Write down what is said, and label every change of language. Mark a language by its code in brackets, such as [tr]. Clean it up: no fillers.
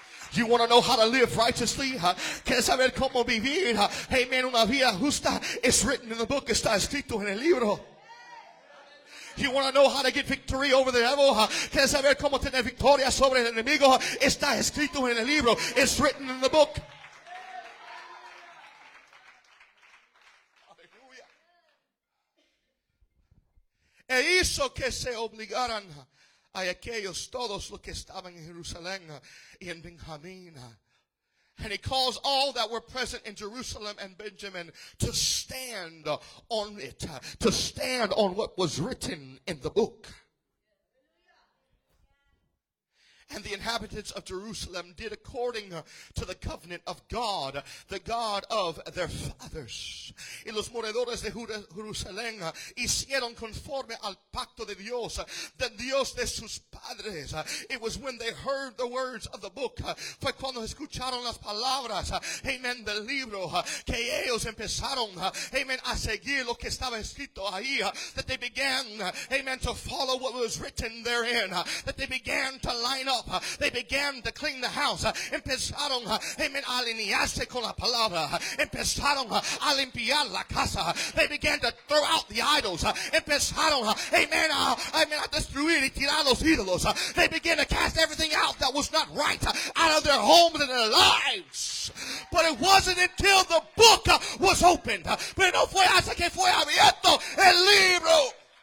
[en] You want to know how to live righteously? [es] ¿Quieres saber cómo vivir? Amen, una vida justa. [en] It's written in the book. [es] Está escrito en el libro. [en] You want to know how to get victory over the devil? [es] ¿Quieres saber cómo tener victoria sobre el enemigo? Está escrito en el libro. [en] It's written in the book. Hallelujah. [es] E hizo que se obligaran a aquellos todos los que estaban en Jerusalén y en Benjamín. [en] And he calls all that were present in Jerusalem and Benjamin to stand on it, to stand on what was written in the book. And the inhabitants of Jerusalem did according to the covenant of God, the God of their fathers. [es] Y los moradores de Jerusalén hicieron conforme al pacto de Dios, del Dios de sus padres. [en] It was when they heard the words of the book, [es] fue cuando escucharon las palabras, amen, del libro, que ellos empezaron, amen, a seguir lo que estaba escrito ahí, [en] that they began, amen, to follow what was written therein, that they began to line up. They began to clean the house. [es] Empezaron, amen, a alinearse con la palabra. Empezaron a limpiar la casa. [en] They began to throw out the idols. [es] Empezaron, amen, a destruir y tirar los ídolos. [en] They began to cast everything out that was not right out of their homes and their lives. But it wasn't until the book was opened. [es] Pero no fue hasta que fue abierto el libro.